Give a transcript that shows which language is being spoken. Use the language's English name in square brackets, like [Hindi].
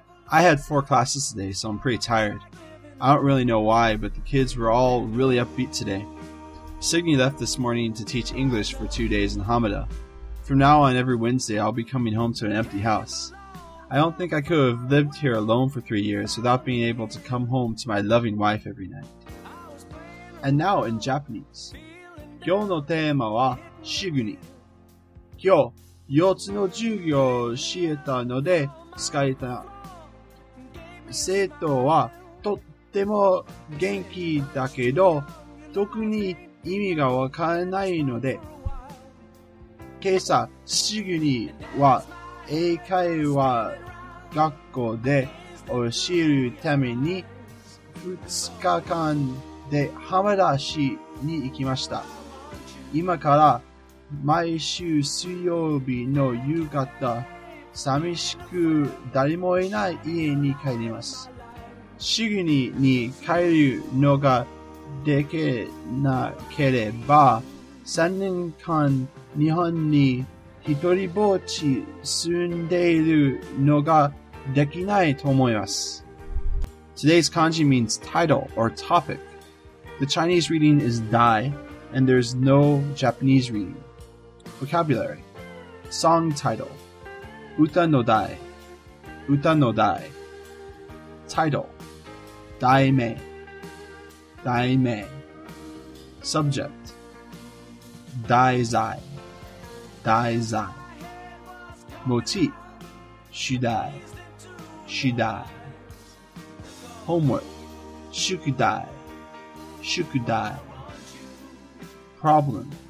[English] I had 4 classes today, so I'm pretty tired. I don't really know why, but the kids were all really upbeat today. Signy left this morning to teach English for 2 days in Hamada. From now on, every Wednesday, I'll be coming home to an empty house. I don't think I could have lived here alone for 3 years without being able to come home to my loving wife every night. And now in Japanese. [Japanese] 今日のテーマはシグニ。今日、4つの授業をしえたので疲れた。生徒はとっても元気だけど、特に意味がわからないので、今朝、シグニは英会話学校で教えるために2日間で浜田市に行きました。今から毎週水曜日の夕方、寂しく誰もいない家に帰ります。シグニに帰るのができなければ、3年間日本に一人ぼっち住んでいるのができないと思います。 [English] Today's kanji means title or topic. The Chinese reading is dai, and there's no Japanese reading. Vocabulary. Song title. [Japanese] 歌の題。歌の題。 [English] Title. [Japanese] 題名。題名。 [English] Subject. [Japanese] 題材。題材。 [English] Motif. [Japanese] 主題。主題。 [English] Homework. [Japanese] 宿題。宿題。 [English] Problem.